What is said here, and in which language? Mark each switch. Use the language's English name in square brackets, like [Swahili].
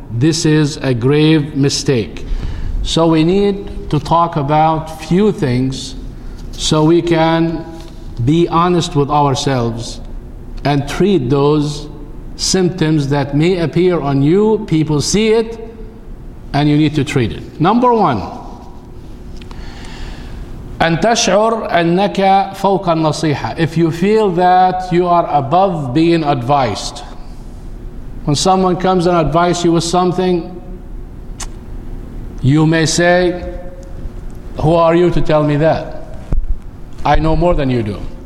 [English] This is a grave mistake. So we need to talk about few things so we can be honest with ourselves and treat those symptoms that may appear on you. People see it and you need to treat it. Number one, [Arabic] أن تشعر أنك فوق النصيحة. [English] If you feel that you are above being advised. When someone comes and advises you with something, you may say, who are you to tell me that? I know more than you do.